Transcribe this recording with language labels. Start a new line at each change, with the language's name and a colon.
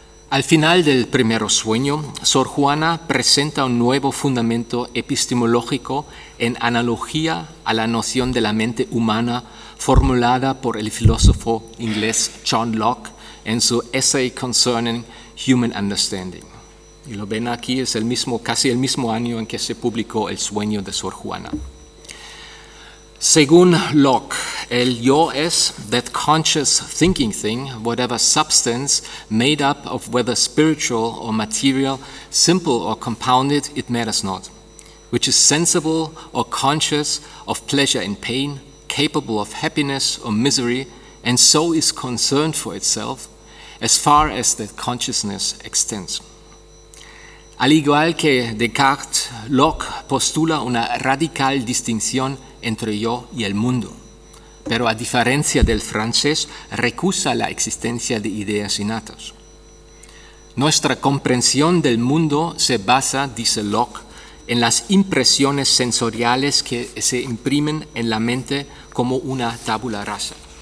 Spanish: Al final del primer sueño, Sor Juana presenta un nuevo fundamento epistemológico en analogía a la noción de la mente humana formulada por el filósofo inglés John Locke en su Essay Concerning Human Understanding. Y lo ven aquí, es el mismo, casi el mismo año en que se publicó El sueño de Sor Juana. Según Locke, el yo es
English: that conscious thinking thing, whatever substance made up of whether spiritual or material, simple or compounded, it matters not, which is sensible or conscious of pleasure and pain, capable of happiness or misery, and so is concerned for itself as far as that consciousness extends.
Spanish: Al igual que Descartes, Locke postula una radical distinción entre yo y el mundo, pero a diferencia del francés, recusa la existencia de ideas innatas. Nuestra comprensión del mundo se basa, dice Locke, en las impresiones sensoriales que se imprimen en la mente como una tabula rasa.